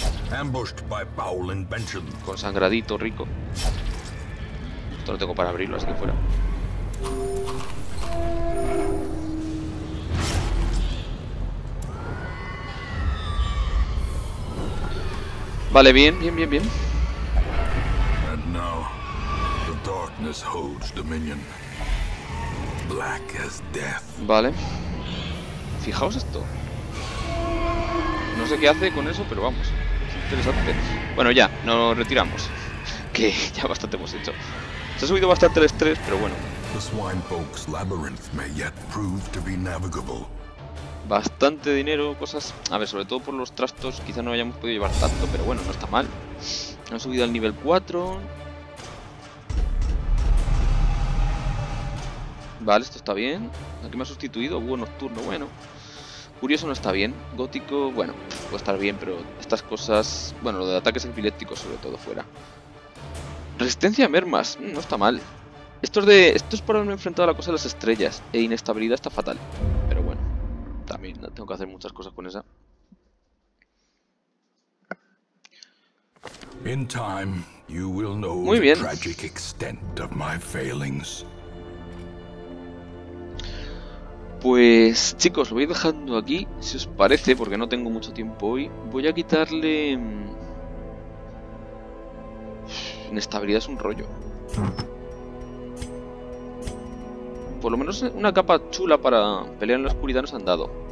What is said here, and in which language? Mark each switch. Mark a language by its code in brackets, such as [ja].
[en] Ambushed by foul invention. [es] Con sangradito rico. Esto lo tengo para abrirlo, así que fuera. Vale, bien, bien, bien, bien. [en] And now, the darkness holds dominion. Black as death. [es] Vale. Fijaos esto. No sé qué hace con eso, pero vamos. Interesante. Bueno, ya, nos retiramos. Que ya bastante hemos hecho. Se ha subido bastante el estrés, pero bueno. [en] The swine folk's labyrinth may yet prove to be navigable. [es] Bastante dinero, cosas. A ver, sobre todo por los trastos, quizá no hayamos podido llevar tanto, pero bueno, no está mal. Han subido al nivel 4. Vale, esto está bien. Aquí me ha sustituido, búho nocturno, bueno. Curioso no está bien. Gótico, bueno, puede estar bien, pero estas cosas. Bueno, lo de ataques epilépticos, sobre todo, fuera. Resistencia a mermas, no está mal. Esto es por haberme enfrentado a la cosa de las estrellas. E inestabilidad está fatal. Pero bueno, también tengo que hacer muchas cosas con esa. [en] In time, you will know. [es] Muy bien. [en] Tragic extent of my failings. [es] Pues chicos, lo voy dejando aquí, si os parece, porque no tengo mucho tiempo hoy. Voy a quitarle... Inestabilidad es un rollo. Por lo menos una capa chula para pelear en la oscuridad nos han dado.